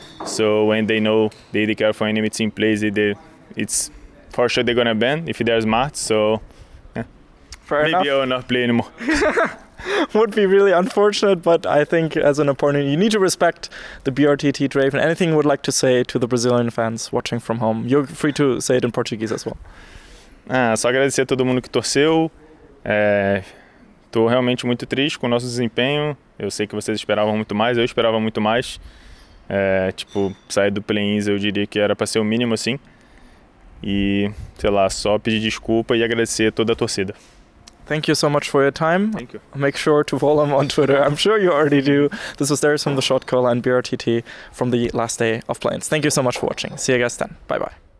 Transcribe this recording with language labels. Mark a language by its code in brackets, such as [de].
[en] So when they know the AD carry for enemy team plays it, it's for sure they're gonna ban if there's Matt. So yeah. Fair maybe enough. I will not play anymore. Would be really unfortunate, but I think as an opponent, you need to respect the BRTT Draven. Anything you would like to say to the Brazilian fans watching from home? You're free to say it in Portuguese as well. [pt] Ah, só agradecer a todo mundo que torceu. Estou realmente muito triste com o nosso desempenho. Eu sei que vocês esperavam muito mais, eu esperava muito mais. Tipo, sair do play-ins eu diria que era para ser o mínimo, assim. E, sei lá, só pedir desculpa e agradecer a toda a torcida. [en] Thank you so much for your time. Thank you. Make sure to follow him on Twitter. I'm sure you already do. This was Darius from The Shot Call and BRTT from the last day of play-ins. Thank you so much for watching. See you guys then. Bye-bye.